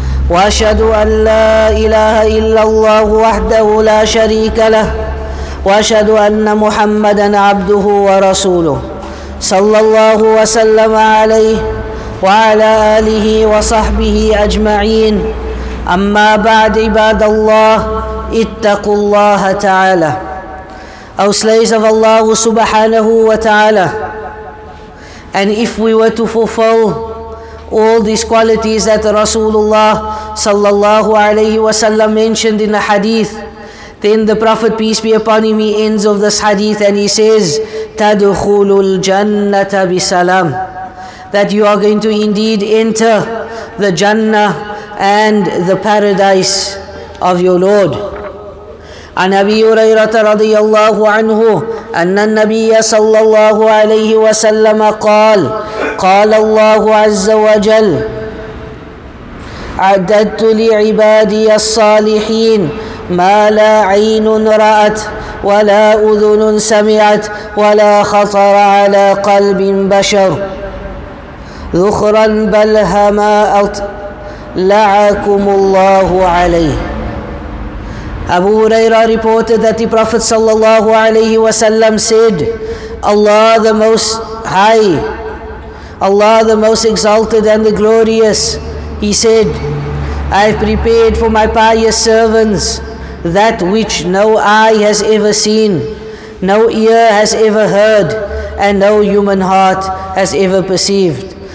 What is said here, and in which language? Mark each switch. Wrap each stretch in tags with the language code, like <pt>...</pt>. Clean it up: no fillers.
<ar>وأشهد أن لا إله إلا الله وحده لا شريك له وأشهد أن محمدا عبده ورسوله صلى الله وسلم عليه وعلى آله وصحبه أجمعين أما بعد عباد الله اتقوا الله تعالى.</ar> <en>O slaves of Allah subhanahu wa ta'ala, and if we were to fulfill all these qualities that Rasulullah sallallahu alayhi wa sallam mentioned in the hadith, then the Prophet, peace be upon him, he ends of this hadith and he says,</en> <ar>تَدْخُلُ الْجَنَّةَ بِسَلَامِ,</ar> <en>that you are going to indeed enter the Jannah and the paradise of your Lord.</en> <ar>عن أبي هريرة رضي الله عنه أن النبي صلى الله عليه وسلم قال قال الله عز وجل أعددت لعبادي الصالحين ما لا عين رأت ولا أذن سمعت ولا خطر على قلب بشر ذخرا بل هما أطلعكم الله عليه.</ar> <en>Abu Huraira reported that the Prophet sallallahu alayhi wa sallam said, Allah the Most High, Allah the Most Exalted and the Glorious, he said, I have prepared for my pious servants that which no eye has ever seen, no ear has ever heard, and no human heart has ever perceived.</en>